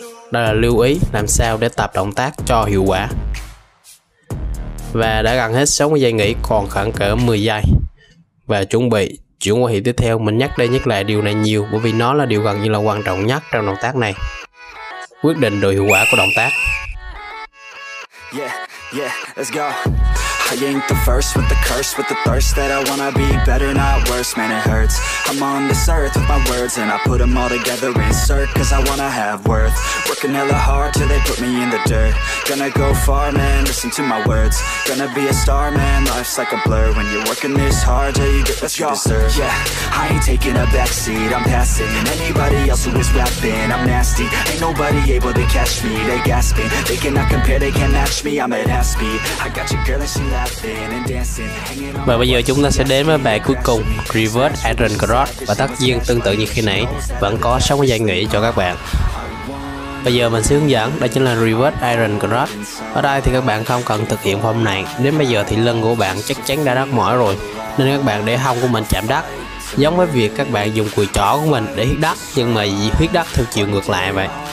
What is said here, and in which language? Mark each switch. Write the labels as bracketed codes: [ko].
[vi] Đó là lưu ý làm sao để tập động tác cho hiệu quả. Và đã gần hết 60 giây nghỉ, còn khoảng cỡ 10 giây và chuẩn bị chuyển qua hiệp tiếp theo. Mình nhắc đây nhắc lại điều này nhiều bởi vì nó là điều gần như là quan trọng nhất trong động tác này, quyết định độ hiệu quả của động tác. [en] Yeah, yeah, let's go. I ain't the first with the curse, with the thirst that I wanna be better, not worse. Man, it hurts. I'm on this earth with my words, and I put them all together, insert, cause I wanna have worth. Working hella hard till they put me in the dirt. Gonna go far, man, listen to my words. Gonna be a star, man, life's like a blur. When you're working this hard till you get what you deserve. Yeah, I ain't taking a backseat, I'm passing anybody else who is rapping. I'm nasty, ain't nobody able to catch me. They gasping, they cannot compare, they can't match me. I'm at half speed, I got your girl and she laughing and dancing. [vi] Và bây giờ chúng ta sẽ đến với bài cuối cùng, Reverse Aaron Cross. Và tất nhiên tương tự như khi nãy, vẫn có 60 giây nghỉ cho các bạn. Bây giờ mình sẽ hướng dẫn, đây chính là Reverse Aaron Cross. Ở đây thì các bạn không cần thực hiện form này. Đến bây giờ thì lưng của bạn chắc chắn đã rất mỏi rồi, nên các bạn để hông của mình chạm đất, giống với việc các bạn dùng cùi chỏ của mình để huyết đất, nhưng mà huyết đất theo chiều ngược lại vậy.